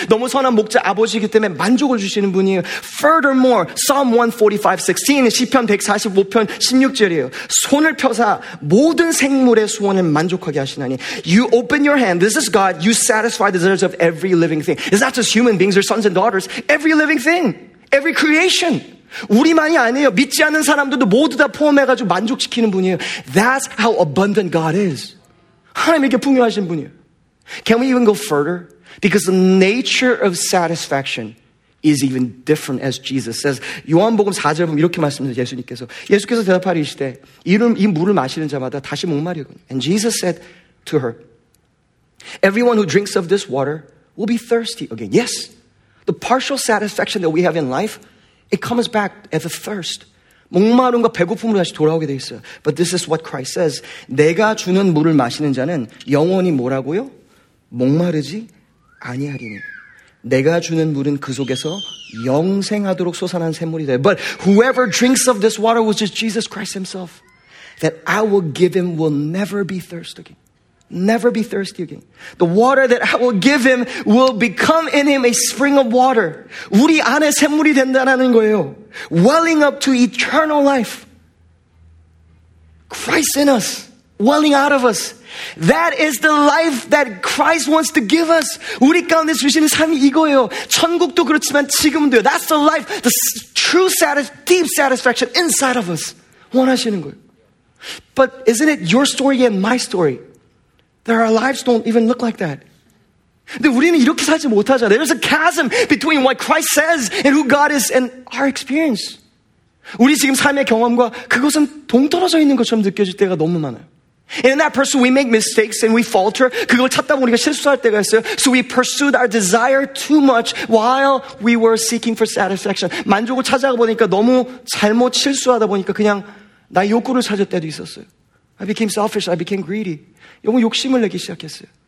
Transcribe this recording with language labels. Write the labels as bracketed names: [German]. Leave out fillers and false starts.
[Korean] 너무 선한 목자 아버지이기 때문에 만족을 주시는 분이에요. [English] Furthermore, Psalm 145:16, [Korean] 시편 145편 16절이에요. 손을 펴사 모든 생물의 소원을 만족하게 하시나니. [English] You open your hand, this is God, you satisfy the desires of every living thing. It's not just human beings, your sons and daughters. Every living thing, every creation. [Korean] 우리만이 아니에요. 믿지 않는 사람들도 모두 다 포함해가지고 만족시키는 분이에요. [English] That's how abundant God is. [Korean] 하나님에게 풍요하신 분이에요. [English] Can we even go further? Because the nature of satisfaction is even different as Jesus says. [Korean] 요한복음 4절 보면 이렇게 말씀하세요. 예수님께서. 예수께서 대답하시되 이 물을 마시는 자마다 다시 목마르거니. [English] And Jesus said to her, Everyone who drinks of this water will be thirsty again. Yes, the partial satisfaction that we have in life, it comes back as a thirst. [Korean] 목마름과 배고픔으로 다시 돌아오게 돼 있어요. [English] But this is what Christ says. [Korean] 내가 주는 물을 마시는 자는 영원히 뭐라고요? 목마르지 아니하리니 내가 주는 물은 그 속에서 영생하도록 솟아난 샘물이 돼. [English] But whoever drinks of this water, which is Jesus Christ himself, that I will give him will never be thirsty again. Never be thirsty again. The water that I will give him will become in him a spring of water. [Korean] 우리 안에 샘물이 된다는 거예요. [English] Welling up to eternal life. Christ in us. Welling out of us. That is the life that Christ wants to give us. [Korean] 우리 가운데 주시는 삶이 이거예요. 천국도 그렇지만 지금도요. [English] That's the life, the true deep satisfaction inside of us. [Korean] 원하시는 거예요. [English] But isn't it your story and my story? That our lives don't even look like that. [Korean] 근데 우리는 이렇게 살지 못하잖아. [English] There's a chasm between what Christ says and who God is and our experience. [Korean] 우리 지금 삶의 경험과 그것은 동떨어져 있는 것처럼 느껴질 때가 너무 많아요. [English] And in that pursuit, we make mistakes and we falter. [Korean] 그걸 찾다 보니까 실수할 때가 있어요. [English] So we pursued our desire too much while we were seeking for satisfaction. [Korean] 만족을 찾아가 보니까 너무 잘못 실수하다 보니까 그냥 나의 욕구를 찾을 때도 있었어요. [English] I became selfish. I became greedy. [Korean] 너무 욕심을 내기 시작했어요.